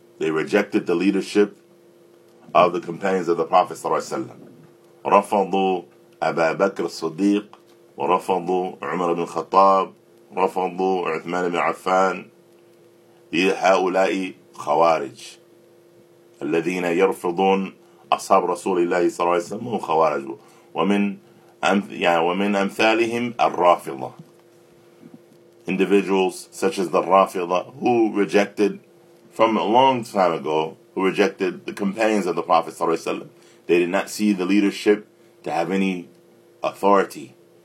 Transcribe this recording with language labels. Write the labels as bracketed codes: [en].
[en] They rejected the leadership of the companions of the Prophet صلى الله عليه وسلم. [ar] رفضوا أبا بكر الصديق ورفضوا عمر بن الخطاب رفضوا عثمان بن عفان. هؤلاء خوارج الذين يرفضون أصحاب رسول الله صلى الله عليه وسلم هم خوارج. ومن أمثالهم الرافضة, [en] individuals such as the Rafida who rejected from a long time ago, who rejected the companions of the Prophet صلى الله عليه وسلم. They did not see the leadership to have any authority.